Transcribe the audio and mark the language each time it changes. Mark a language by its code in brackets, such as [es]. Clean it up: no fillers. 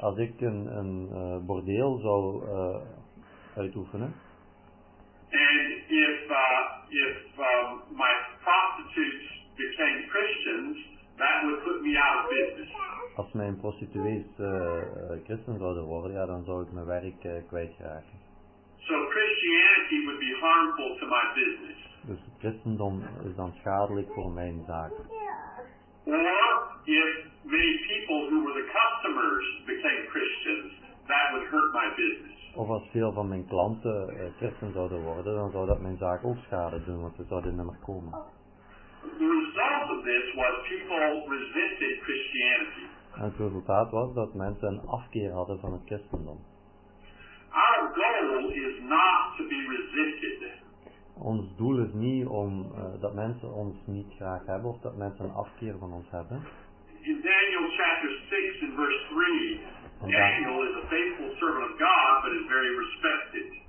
[nl] Als ik een bordeel zou uitoefenen. [en] And if my prostitutes became Christians, that would put me out of business. [nl] Als mijn prostituees christen zouden worden, ja, dan zou ik mijn werk kwijtraken. [en] So Christianity would be harmful to my business. [nl] Dus het christendom is dan schadelijk voor mijn zaak. [en] Or if many people who were the customers became Christians, that would hurt my business. [nl] Of als veel van mijn klanten christen zouden worden, dan zou dat mijn zaak ook schade doen, want ze zouden niet meer komen. [en] The result of this was people resented Christianity. [nl] En het resultaat was dat mensen een afkeer hadden van het christendom. [en] Our goal is not to be resisted. [nl] Ons doel is niet om dat mensen ons niet graag hebben of dat mensen een afkeer van ons hebben. [en] In Daniel chapter 6 in verse 3, Daniel is a faithful servant of God, but is very respected.